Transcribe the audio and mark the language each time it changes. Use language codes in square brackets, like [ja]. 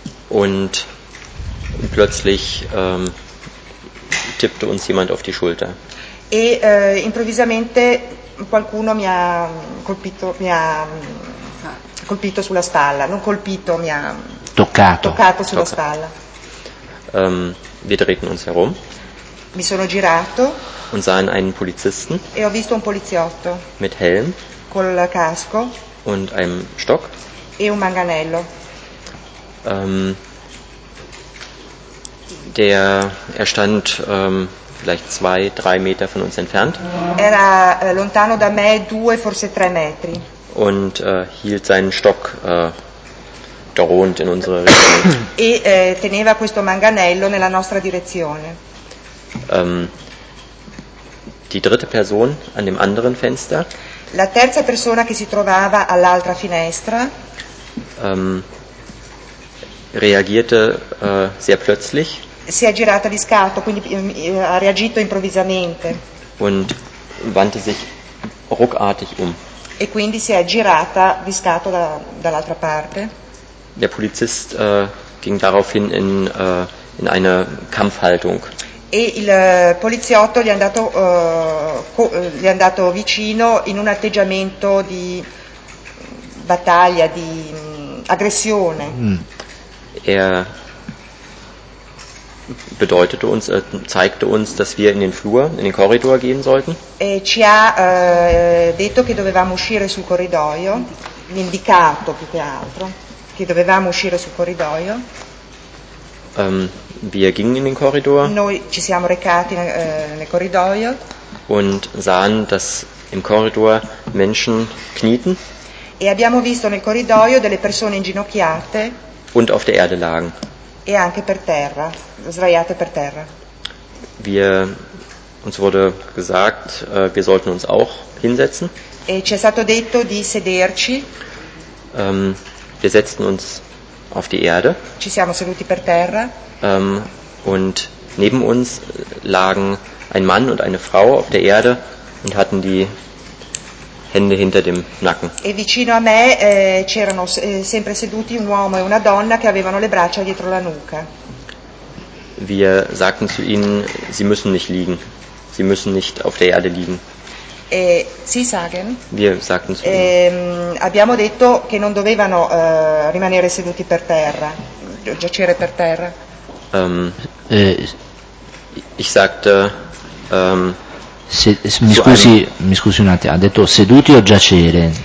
[de] Und plötzlich tippte uns jemand auf die Schulter. [it] E improvvisamente qualcuno mi ha colpito sulla spalla, non colpito, mi ha toccato sulla spalla. [de] Wir drehten uns herum. [it] Mi sono girato. [de] Und sahen einen Polizisten. [it] E ho visto un poliziotto. [de] Mit Helm. [it] Col casco. [de] Und einem Stock. [it] E un manganello. [de] Er stand vielleicht 2-3 Meter von uns entfernt. [it] Era lontano da me 2-3 metri. [de] Und hielt seinen Stock drohend in unsere Richtung. [it] E teneva questo manganello nella nostra direzione. [de] Die dritte Person an dem anderen Fenster. [it] La terza persona che si trovava all'altra finestra. [de] Reagierte sehr plötzlich. [it] Si è girata di scatto, quindi ha reagito improvvisamente. [de] Und wandte sich ruckartig um. [it] E quindi si è girata di scatto dall'altra parte. [de] Der Polizist ging daraufhin in eine Kampfhaltung. [it] E il poliziotto gli è andato vicino in un atteggiamento di battaglia, di aggressione. [de] Bedeutete uns, zeigte uns, dass wir in den Flur, in den Korridor gehen sollten. [it] E ci ha detto che dovevamo uscire sul corridoio, indicato più che altro, che dovevamo uscire sul corridoio. [de] Wir gingen in den Korridor. [it] Noi ci siamo recati nel corridoio. [de] Und sahen, dass im Korridor Menschen knieten. [it] E abbiamo visto nel corridoio delle persone inginocchiate. [de] Und auf der Erde lagen. [it] E anche per terra, sdraiate per terra. [de] Uns wurde gesagt, wir sollten uns auch hinsetzen. [it] E ci è stato detto di sederci. [de] Wir setzten uns auf die Erde. [it] Ci siamo seduti per terra. [de] Und neben uns lagen ein Mann und eine Frau auf der Erde und hatten die Hände hinter dem Nacken. [it] E vicino a me c'erano sempre seduti un uomo e una donna che avevano le braccia dietro la nuca. [de] Wir sagten zu ihnen, sie müssen nicht liegen. Sie müssen nicht auf der Erde liegen. Sie sagen? Wir sagten zu ihnen. [it] Abbiamo detto che non dovevano rimanere seduti per terra, giacere per terra. [de] Ich sagte [it] Mi scusi un attimo, ha detto seduti o giacere?